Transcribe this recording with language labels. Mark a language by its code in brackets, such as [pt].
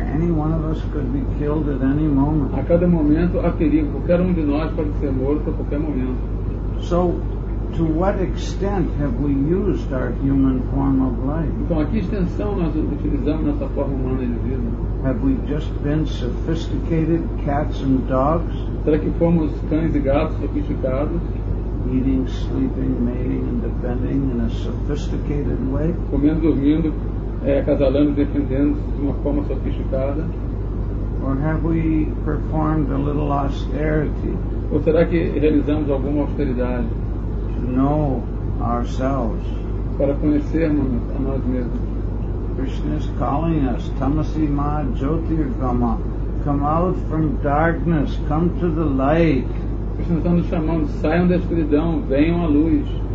[en] Any one of us could be killed at any moment. [pt] A cada momento há perigo. Qualquer de nós pode ser morto a qualquer momento. [en] So, to what extent have we used our human form of life? [pt] Então, a que extensão nós utilizamos nossa forma humana de vida? [en] Have we just been sophisticated cats and dogs? [pt] Será que fomos cães e gatos sofisticados? [en] Eating, sleeping, mating, and defending in a sophisticated way. [pt] Comendo, dormindo, acasalando, defendendo-se de uma forma sofisticada. [en] Or have we performed a little austerity? [pt] Ou será que realizamos alguma austeridade? [en] To know ourselves. [pt] Para conhecermos a nós mesmos. [en] Krishna is calling us, [sa] Tamasi Ma Jyotirgama. [en] Come out from darkness, come to the light. [pt] Krishna está nos chamando, saiam da escuridão, venham à luz.